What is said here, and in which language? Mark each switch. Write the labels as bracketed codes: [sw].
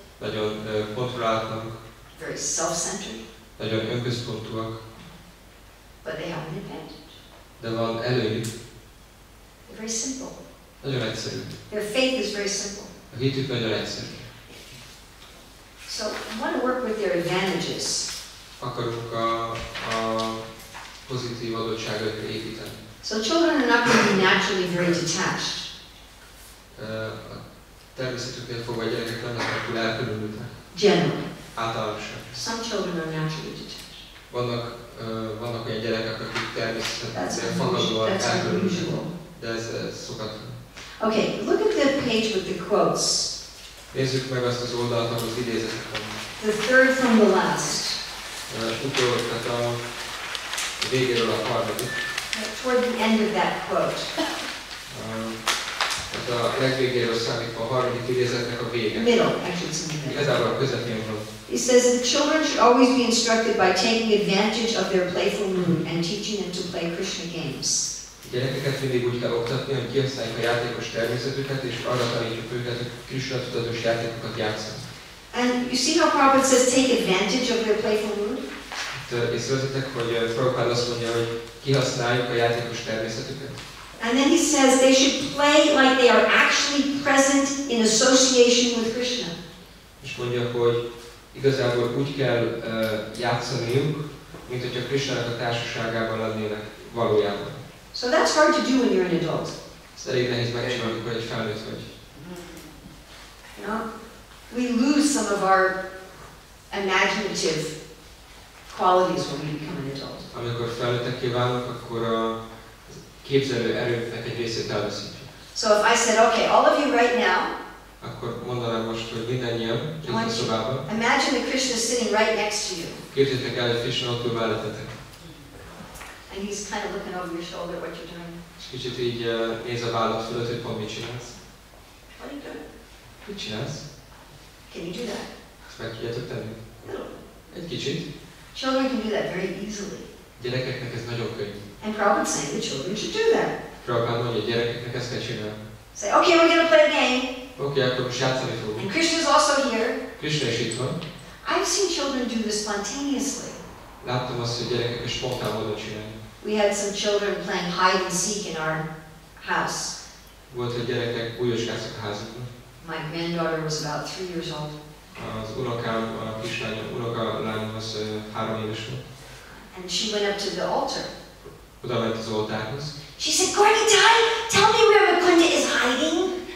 [hu] Nagyon kontrolláltak. [en] Very self-centered. [hu] Nagyon önközpontúak. [en] But they have an advantage. [hu] De van előnyük. [en] They're very simple. [hu] Nagyon egyszerű. [en] Their faith is very simple. [hu] A hitük nagyon egyszerű. [en] So I want to work with their advantages. [hu] Akarunk a pozitív adottságokra építeni. [en] So children are not going to be naturally very detached. [hu] A természetüknél fogva a gyerekek nem lesznek túl elkülönültek. [en] Generally. [hu] Általánosan. [en] Some children are naturally detached. [hu] Vannak olyan gyerekek, akik természetesen fogadóan elkülönülnek. De ez szokatlan. [en] Okay, look at the page with the quotes. [hu] Nézzük meg azt az oldalt, ahol az idézetek van. [en] The third from the last. [hu] Tehát a végéről a harmadik. [en] Toward the end of that quote. [hu] Tehát a legvégéről számítva a harmadik idézetnek a vége. [en] Middle, actually. [hu] Közepén van. [en] He says that children should always be instructed by taking advantage of their playful mood and teaching them to play Krishna games. [hu] Gyerekeket mindig úgy kell oktatni, hogy kihasználjuk a játékos természetüket, és arra tanítjuk őket, hogy Krishna tudatos játékokat játszanak. [en] And you see how Prabhupada says take advantage of their playful mood? [hu] Észrevezetek, hogy Prabhupada azt mondja, hogy kihasználjuk a játékos természetüket. [en] And then he says they should play like they are actually present in association with Krishna. [hu] És mondja, hogy igazából úgy kell játszaniuk, mint hogyha Krisnának a társaságában lennének valójában. [en] So that's hard to do when you're an adult. [hu] Ez elég nehéz megcsinálni, amikor egy felnőtt vagy. [en] No. We lose some of our imaginative qualities when we become an adult. [hu] Amikor felnőttekké válunk, akkor a képzelő erőnknek egy részét elveszítjük. [en] So if I said, okay, all of you right now, [hu] akkor mondanám most, hogy mindannyian, ezen a szobában. [en] Imagine that Krishna is sitting right next to you. [hu] Képzeljétek el, hogy Krishna ott ül mellettetek. [en] And he's kind of looking over your shoulder what you're doing. [hu] És kicsit így néz a vállad fölött, hogy pont mit csinálsz. Mit csinálsz? [en] Can you do that? [hu] Ezt meg tudjátok tenni? [en] No. [hu] Egy kicsit. [en] Children can do that very easily. [hu] Gyerekeknek ez nagyon könnyű. [en] And Prabhupada saying the children should do that. [hu] Prabhupada mondja, hogy gyerekeknek ezt kell csinálni. [en] Say, okay, we're gonna play a game. [hu] Okay, akkor most játszani fogunk. [en] And Krishna's also here. [hu] Krishna is itt van. [en] I've seen children do this spontaneously. [hu] Láttam azt, hogy gyerekek spontán módon csinálni. [en] We had some children playing hide and seek in our house. [hu] Volt egy gyerekek újoskáztak a házunkban. [en] My granddaughter was about 3 years old. [hu] Az unokám, a kislányom, unokalányom az 3 éves volt. [en] And she went up to the altar. [hu] Oda ment az oltárhoz. [en] She said, Gornitai, tell me where Mukunda is hiding.